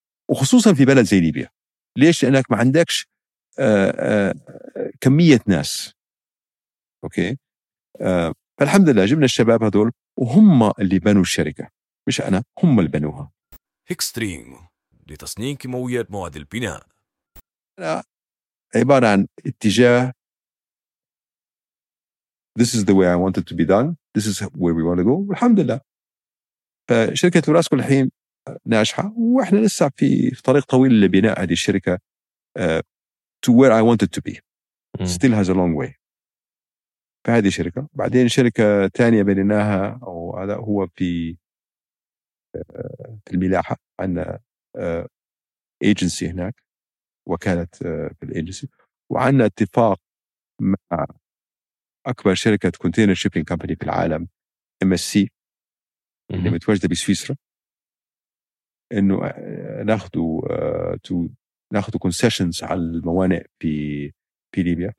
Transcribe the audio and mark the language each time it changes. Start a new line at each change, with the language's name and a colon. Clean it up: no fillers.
Arabic: وخصوصا في بلد زي ليبيا. ليش؟ لأنك ما عندكش كمية ناس. أوكي؟ فالحمد لله جبنا الشباب هذول وهم اللي بنوا الشركة مش أنا، هم اللي بنوها. إكستريم لتصنيك مويات مواد البناء. أنا عبارة عن اتجاه
English: This is the way I want it to be done. This is where we want to go.
Arabic: الحمد لله. فشركة وراسكو الحين ناجحة وإحنا لسه في طريق طويل لبناء هذه الشركة
English: to where I want it to be. Still has a long way.
Arabic: فهذه شركة. بعدين شركة تانية بنيناها أو هذا هو في الملاحة، عندنا agency هناك، وكالة في الagency، وعندنا اتفاق مع أكبر شركة
English: container shipping company
Arabic: في العالم MSC اللي متواجدة بسويسرا، إنه ناخدوا ناخدوا concessions على الموانئ في ليبيا.